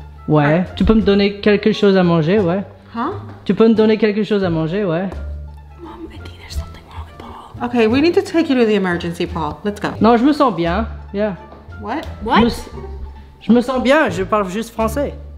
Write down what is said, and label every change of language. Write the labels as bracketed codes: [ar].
[fr] Ouais, tu peux me donner quelque chose à manger, ouais. Huh? Tu peux me donner quelque chose à manger, ouais. [en] Mom, I think there's something wrong with Paul. Okay, we need to take you to the emergency, Paul. Let's go. [fr] Non, je me sens bien. [en] Yeah. What? [fr] Je me sens bien, je parle juste français.